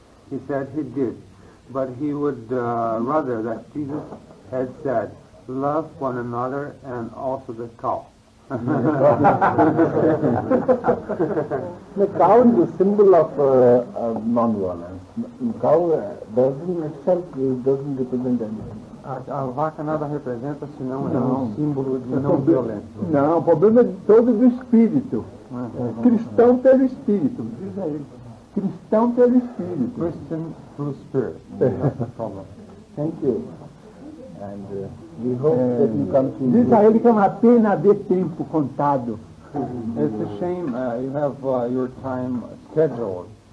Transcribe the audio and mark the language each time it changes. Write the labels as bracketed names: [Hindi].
[English] He said he did, but he would rather that Jesus had said, love one another and also the cow. The cow is a symbol of non-violence. Cow doesn't represent anything. [Portuguese] A vaca nada representa senão é um símbolo de não violência. Não, o problema é todo do espírito. Cristão pelo espírito. Diz aí. Cristão pelo espírito. [English] Christian through spirit. Thank you. And we hope that you come to [Portuguese] diz a ele que é uma pena de tempo contado. [English] It's a shame you have your time scheduled.